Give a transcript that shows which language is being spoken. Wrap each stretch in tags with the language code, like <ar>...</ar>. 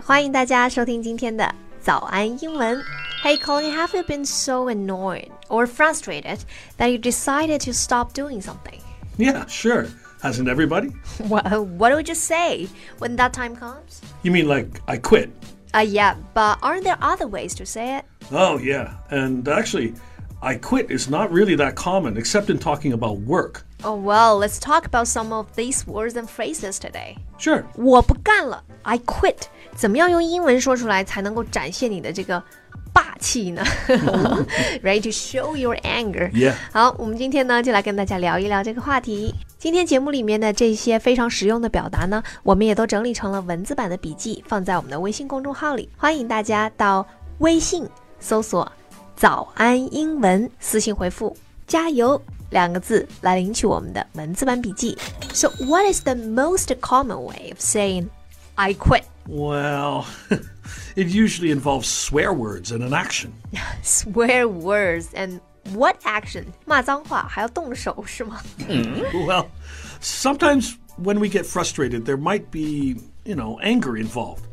<zh>欢迎大家收听今天的早安英文。</zh> <en>Hey, Colin, have you been so annoyed or frustrated that you decided to stop doing something? Yeah, sure. Hasn't everybody? What would you say when that time comes? You mean like, I quit? Yeah, but aren't there other ways to say it? Oh, yeah. And actually, I quit is not really that common, except in talking about work. Oh, well, let's talk about some of these words and phrases today. Sure.</en> <zh>我不干了</zh> <en>I quit.</en> <zh>怎么样用英文说出来才能够展现你的这个霸气呢</zh> <en>Ready to show your anger. Yeah.</en> <zh>好我们今天呢就来跟大家聊一聊这个话题。今天节目里面的这些非常实用的表达呢我们也都整理成了文字版的笔记放在我们的微信公众号里。欢迎大家到微信搜索早安英文私信回复加油两个字来领取我们的文字版笔记。</zh> <en>So what is the most common way of saying I quit? Well... It usually involves swear words and an action. Swear words and what action?</en> <zh>骂脏话还要动手是吗、</zh> <en>Well, sometimes when we get frustrated, there might be, you know, anger involved.</en>